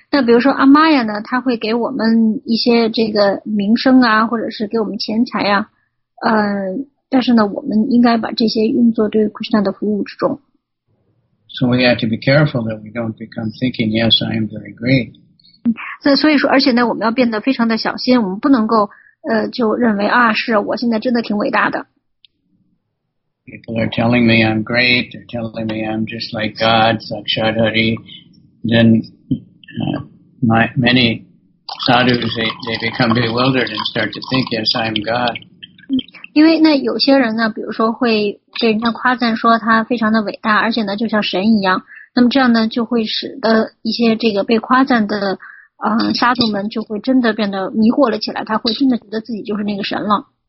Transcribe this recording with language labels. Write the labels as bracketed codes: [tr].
[zh] 那比如说阿玛雅呢，他会给我们一些这个名声啊，或者是给我们钱财啊，但是呢，我们应该把这些运作对 Krishna 的服务之中。 [en] So we have to be careful that we don't become thinking, yes, I am very great. [zh] 那所以说，而且呢，我们要变得非常的小心，我们不能够就认为啊，是我现在真的挺伟大的。 [en] People are telling me I'm great, they're telling me I'm just like God, Sakshat Hari. Then many sadhus, they become bewildered and start to think, yes, I'm God. [zh] 因为那有些人呢，比如说会被人家夸赞说他非常的伟大，而且呢就像神一样，那么这样呢就会使得一些这个被夸赞的sadhu们就会真的变得迷惑了起来，他会真的觉得自己就是那个神了。